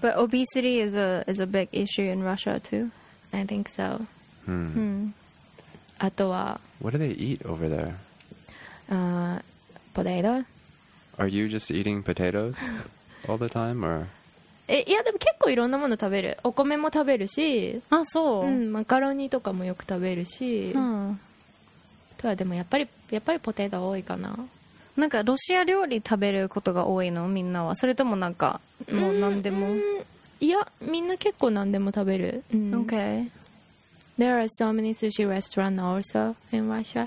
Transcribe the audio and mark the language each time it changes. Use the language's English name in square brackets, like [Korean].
[English] But obesity is a big issue in Russia too. I think so. Hmm. [Japanese] あとは [English] What do they eat over there? Potato. Are you just eating potatoes all the time or? [Japanese] え、いやでも結構いろんなもの食べる。お米も食べるし。あ、そう。うん、マカロニとかもよく食べるし。うん。とはでもやっぱりポテト多いかな。なんかロシア料理食べることが多いのみんなはそれともなんかもう何でも、いやみんな結構何でも食べる、 [English] OK There are so many sushi restaurants also in Russia、